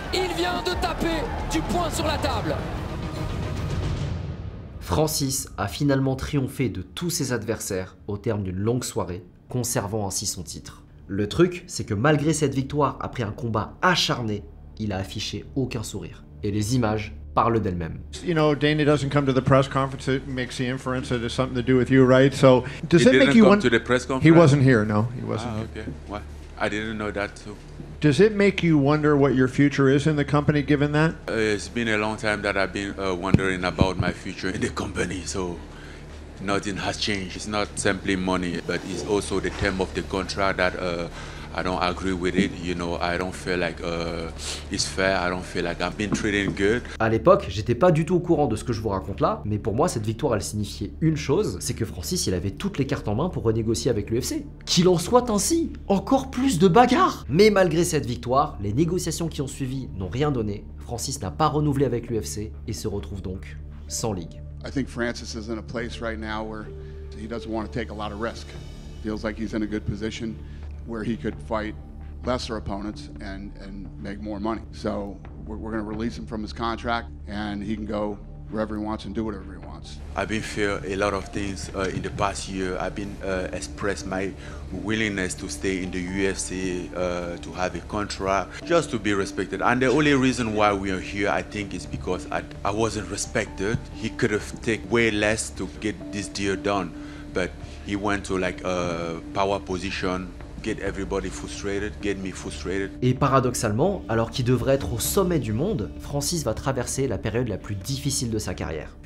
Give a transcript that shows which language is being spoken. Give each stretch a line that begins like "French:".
French: Il vient de taper du poing sur la table. Francis a finalement triomphé de tous ses adversaires au terme d'une longue soirée, conservant ainsi son titre. Le truc, c'est que malgré cette victoire, après un combat acharné, il a affiché aucun sourire. Et les images parlent d'elles-mêmes.
English: You know, Dana doesn't come to the press conference. It makes the inference that it's something to do with you, right? So, does he it make you want to the press conference? He wasn't here, no. He wasn't here. Okay. What? I didn't know that too. Does it make you wonder what your future is in the company given that? It's been a long time that I've been wondering about my future in the company. So, nothing has changed. It's not simply money, but it's also the term of the contract that I don't agree with it, you know, I don't feel like it's fair, I don't feel like I've been treated good.
French: À l'époque, j'étais pas du tout au courant de ce que je vous raconte là, mais pour moi, cette victoire, elle signifiait une chose, c'est que Francis, il avait toutes les cartes en main pour renégocier avec l'UFC. Qu'il en soit ainsi, encore plus de bagarres. Mais malgré cette victoire, les négociations qui ont suivi n'ont rien donné, Francis n'a pas renouvelé avec l'UFC et se retrouve donc sans ligue.
English: I think Francis is in a place right now where he doesn't want to take a lot of risk. Feels like he's in a good position. where he could fight lesser opponents and make more money. So we're going to release him from his contract, and he can go wherever he wants and do whatever he wants. I've been feeling a lot of things in the past year. I've been expressed my willingness to stay in the UFC, to have a contract, just to be respected. And the only reason why we are here, I think, is because I wasn't respected. He could have taken way less to get this deal done, but he went to like a power position, get everybody frustrated, get me frustrated.
French: Et paradoxalement, alors qu'il devrait être au sommet du monde, Francis va traverser la période la plus difficile de sa carrière.